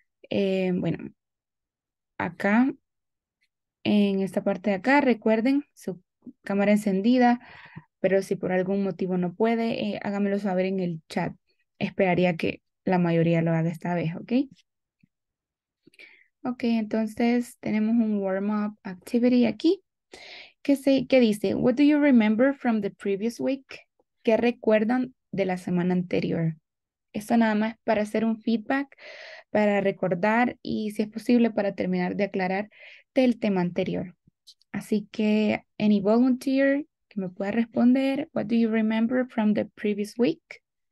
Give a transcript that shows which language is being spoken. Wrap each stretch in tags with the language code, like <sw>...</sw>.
<es>Bueno, acá, en esta parte de acá, recuerden su cámara encendida. Pero si por algún motivo no puede, hágamelo saber en el chat. Esperaría que la mayoría lo haga esta vez, ¿ok? Ok, entonces tenemos un warm-up activity aquí. ¿Qué dice?</es> <en>What do you remember from the previous week?</en> <es>¿Qué recuerdan de la semana anterior? Esto nada más para hacer un feedback para recordar y, si es posible, para terminar de aclarar del tema anterior. Así que,</es> <en>any volunteer</en> <es>que me pueda responder,</es> <en>what do you remember from the previous week?</en>